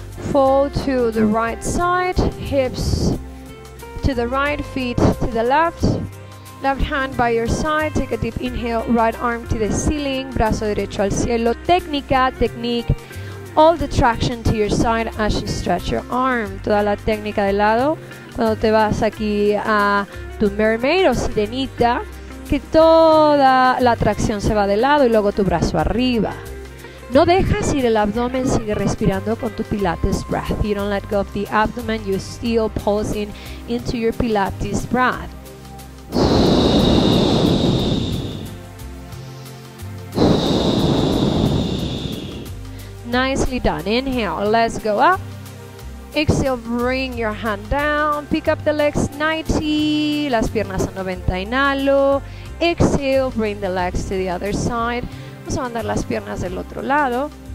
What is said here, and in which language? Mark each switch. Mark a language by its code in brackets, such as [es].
[en] Fold to the right side, hips to the right, feet to the left. Left hand by your side, take a deep inhale, right arm to the ceiling, [es] brazo derecho al cielo. [en] Técnica, technique, all the traction to your side as you stretch your arm. [es] Toda la técnica de lado, cuando te vas aquí a tu mermaid o sirenita, que toda la tracción se va de lado y luego tu brazo arriba. No dejas ir el abdomen, sigue respirando con tu Pilates breath. [en] You don't let go of the abdomen, you still pulsing into your Pilates breath. Nicely done. Inhale, let's go up. Exhale, bring your hand down. Pick up the legs 90. [es] Las piernas a 90. Inhalo. [en] Exhale, bring the legs to the other side. [es] Vamos a mandar las piernas del otro lado.